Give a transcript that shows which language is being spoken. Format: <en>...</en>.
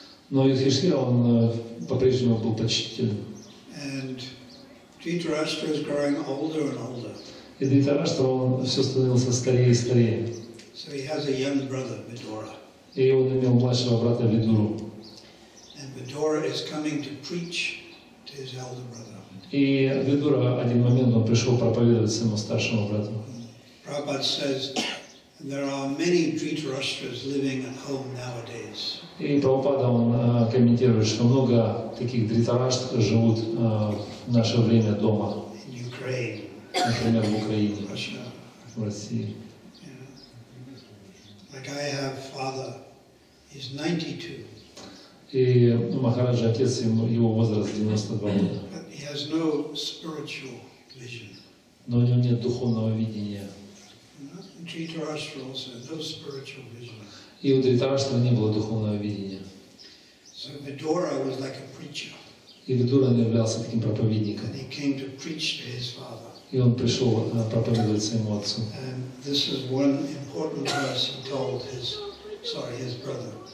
<ru>Но Юдхиштхира он по-прежнему был почтительным.</ru> <en>And Dhritarashtra is growing older and older.</en> <ru>И Дхритарашта он все становился старее и старее.</ru> <en>So he has a young brother, Vidura.</en> <ru>И он имел младшего брата Видуру.</ru> <en>And Vidura is coming to preach to his elder brother.</en> <ru>И Видура один момент он пришел проповедовать своему старшему брату.</ru> <en>Prabhupada says there are many Dhritarashtras living at home nowadays.</en> <ru>И Прабхупада он комментирует, что много таких Дхритарашт живут в наше время дома.</ru> <en>In Ukraine.</en> <ru>Например, в Украине.</ru> <en>Russia.</en> <ru>В России.</ru> <en>Yeah. Like I have father, he's 92.</en> <ru>И Махараджа отец его возраст 92 года.</ru> <en>But he has no spiritual vision.</en> <ru>Но у него нет духовного видения.</ru> <en>Dhritarashtra also no spiritual vision.</en> <ru>И у Дхритарашта не было духовного видения.</ru> <en>So Vidura was like a preacher.</en> <ru>И Видура являлся таким проповедником.</ru> <en>And he came to preach to his father.</en> <ru>И он пришел проповедовать своему отцу.</ru> <en>And this is one important verse he told his brother.</en>